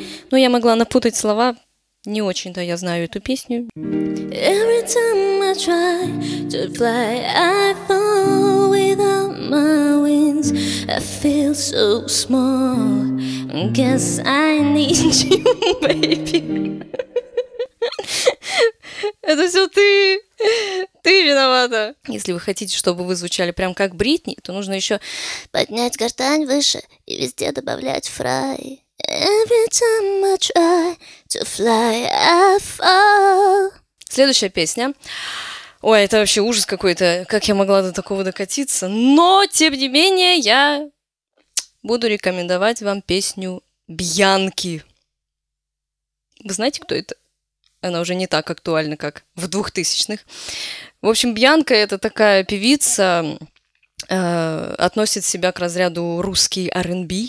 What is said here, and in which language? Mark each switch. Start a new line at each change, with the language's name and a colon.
Russian: Ну, я могла напутать слова, не очень-то я знаю эту песню.
English: Every time I try to fly, I fall without my wings. I feel so small, guess I need you, baby.
Russian: Это все ты! Ты виновата! Если вы хотите, чтобы вы звучали прям как Бритни, то нужно еще поднять гортань выше и везде добавлять фрай.
English: Every time I try to fly, I fall.
Russian: Следующая песня. Ой, это вообще ужас какой-то. Как я могла до такого докатиться? Но, тем не менее, я буду рекомендовать вам песню Бьянки. Вы знаете, кто это? Она уже не так актуальна, как в 2000-х. В общем, Бьянка – это такая певица, относит себя к разряду русский R&B.